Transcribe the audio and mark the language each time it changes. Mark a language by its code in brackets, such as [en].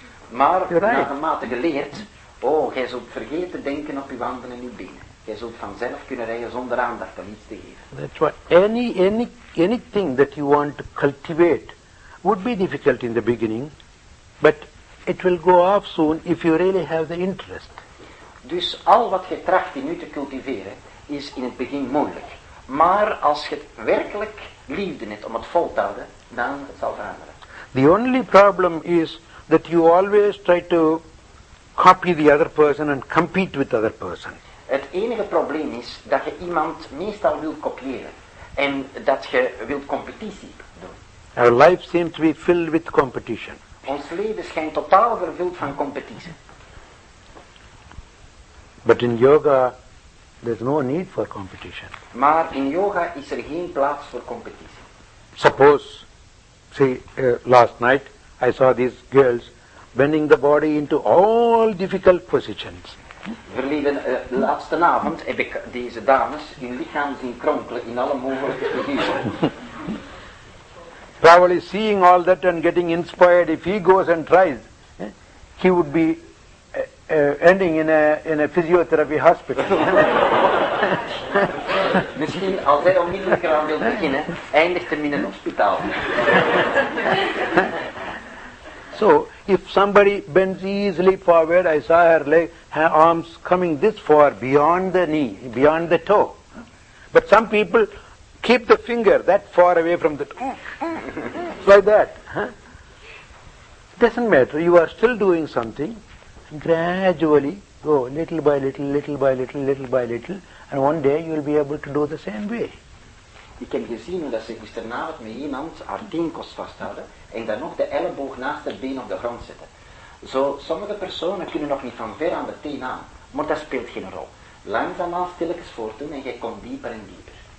[nl] Maar naarmate je leert, oh, jij zult vergeten denken op je handen en je benen. Jij zult vanzelf kunnen rijden zonder aandacht aan iets te geven. [en] That's why anything that you want to cultivate would be difficult in the beginning, but it will go off soon if you really have the interest. [nl] Dus al wat je tracht in u te cultiveren is in het begin moeilijk. Maar als je werkelijk liefde hebt om het vol te houden, dan zal het veranderen. [en] The only problem is that you always try to copy the other person and compete with the other person. [nl] Het enige probleem is dat je iemand meestal wilt kopiëren en dat je wilt competitie doen. [en] Our life seems to be filled with competition. [nl] Ons leven schijnt totaal vervuld van competitie. [en] But in yoga, there's no need for competition. [nl] Maar in yoga is er geen plaats voor competitie. [en] Suppose, last night I saw these girls bending the body into all difficult positions. [nl] Laatste avond heb ik deze dames hun lichaam zien kronkelen in alle mogelijke posities. [en] Probably seeing all that and getting inspired, if he goes and tries, he would be ending in a physiotherapy hospital. [nl] Misschien als hij onmiddellijk eraan wil beginnen, eindigt hem in een hospitaal. [en] So, if somebody bends easily forward, I saw her leg, her arms coming this far beyond the knee, beyond the toe. But some people keep the finger that far away from the toe. Like that. Huh? Doesn't matter, you are still doing something. Gradually go, little by little, little by little, little by little, and one day you will be able to do the same way. [nl] Ik heb gezien hoe ze gisteravond met iemand haar teenkost vasthouden en dan nog de elleboog naast haar been op de grond zetten. Zo, sommige personen kunnen nog niet van ver aan de teen aan, maar dat speelt geen rol. Langzaamaan stilletjes voortdoen en jij komt dieper en dieper.